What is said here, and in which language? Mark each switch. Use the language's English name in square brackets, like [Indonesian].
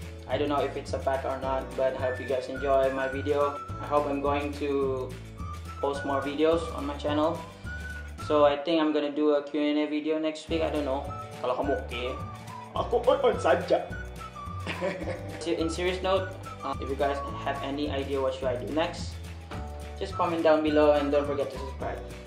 [English] I don't know if it's a fact or not, but I hope you guys enjoy my video. I hope I'm going to post more videos on my channel. So I think I'm gonna do a Q&A video next week. I don't know. [Indonesian] Kalau kamu okay, aku on saja. [English] In serious note, if you guys have any idea what should I do next, just comment down below and don't forget to subscribe.